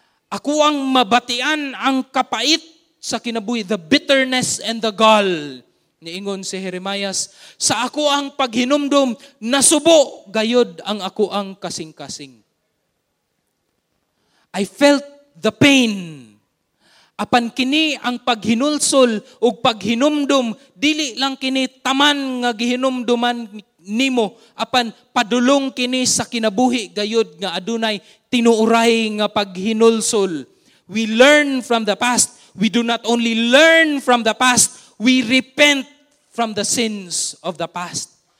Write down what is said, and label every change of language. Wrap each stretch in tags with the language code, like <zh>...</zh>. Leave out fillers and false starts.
<ceb>Ako ang mabatian ang kapait sa kinabuhi,</ceb> <en>the bitterness and the gall,</en> <ceb>niingon si Jeremias. Sa ako ang paghinumdum, nasubo gayod ang ako ang kasing-kasing.</ceb> <en>I felt the pain.</en> <ceb>Apan kini ang paghinulsol ug paghinumdum, dili lang kini taman nga gihinumduman nimo, apan padulong kini sa kinabuhi gayod nga adunay tinuuray nga paghinulsol.</ceb> <en>We learn from the past. We do not only learn from the past, we repent from the sins of the past.</en>